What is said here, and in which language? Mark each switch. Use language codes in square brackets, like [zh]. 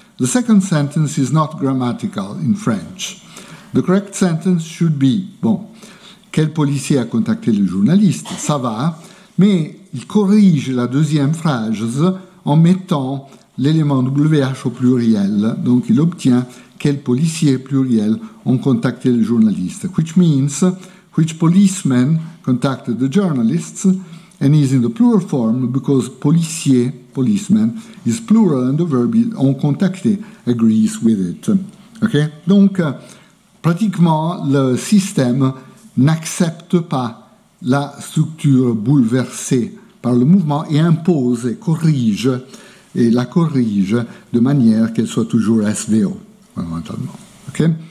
[en] The second sentence is not grammatical in French. The correct sentence should be, [fr] bon, quel policier a contacté le journaliste? Ça va, mais il corrige la deuxième phrase en mettant l'élément WH au pluriel. Donc, il obtient quel policier pluriel ont contacté le journaliste. [en] Which means, which policemen contacted the journalists, and is in the plural form because policier, policeman, is plural and the verb en contacter agrees with it. Okay? [fr] Donc, pratiquement, le système n'accepte pas la structure bouleversée par le mouvement et impose, corrige, et la corrige de manière qu'elle soit toujours SVO, fondamentalement. Okay?